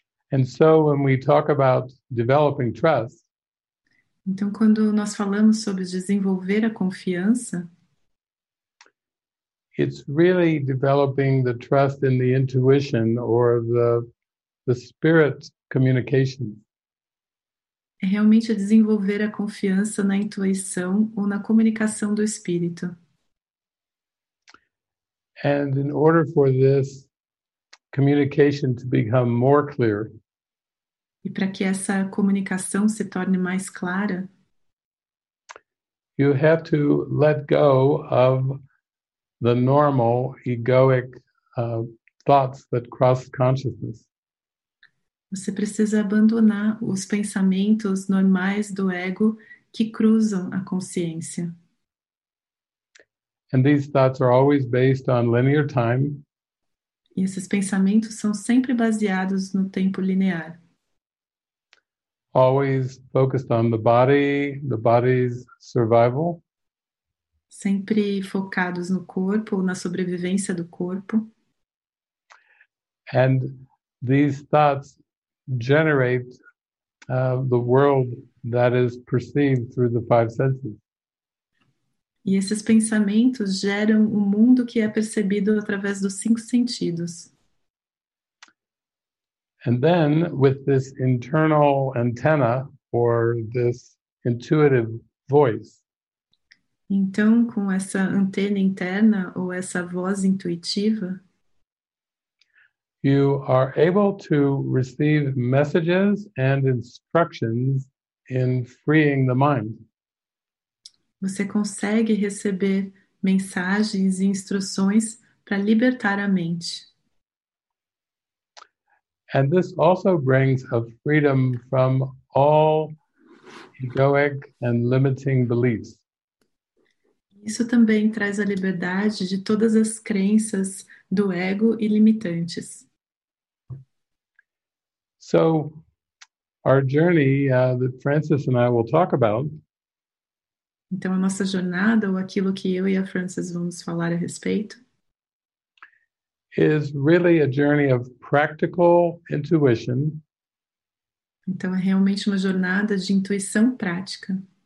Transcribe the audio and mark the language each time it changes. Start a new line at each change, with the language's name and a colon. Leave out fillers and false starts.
English: And so when we talk about developing trust,
Portuguese: então quando nós falamos sobre desenvolver a confiança,
English: it's really developing the trust in the intuition or the spirit communication.
Portuguese: É realmente desenvolver a confiança na intuição ou na comunicação do espírito.
English: And in order for this communication to become more clear,
Portuguese: e para que essa comunicação se torne mais clara,
English: you have to let go of the normal egoic thoughts that cross consciousness.
Portuguese: Você precisa abandonar os pensamentos normais do ego que cruzam a consciência.
English: And these thoughts are always based on linear time.
Portuguese: E esses pensamentos são sempre baseados no tempo linear.
English: Always focused on the body, the body's survival.
Portuguese: Sempre focados no corpo, na sobrevivência do corpo.
English: And these thoughts generate the world that is perceived through the five senses.
Portuguese: E esses pensamentos geram o mundo que é percebido através dos cinco sentidos.
English: And then, with this internal antenna, or this intuitive voice.
Portuguese: Então, com essa antena interna, ou essa voz intuitiva,
English: you are able to receive messages and instructions in freeing the mind.
Portuguese: Você consegue receber mensagens e instruções para libertar a mente.
English: And this also brings a freedom from all egoic and limiting beliefs.
Portuguese: Isso também traz a liberdade de todas as crenças do ego e limitantes.
English: So, our journey that Francis and I will talk about.
Portuguese: Então, a nossa jornada, ou aquilo que eu e a Francis vamos falar a respeito,
English: is really a journey of practical intuition.
Portuguese: Então, é realmente uma jornada de intuição prática.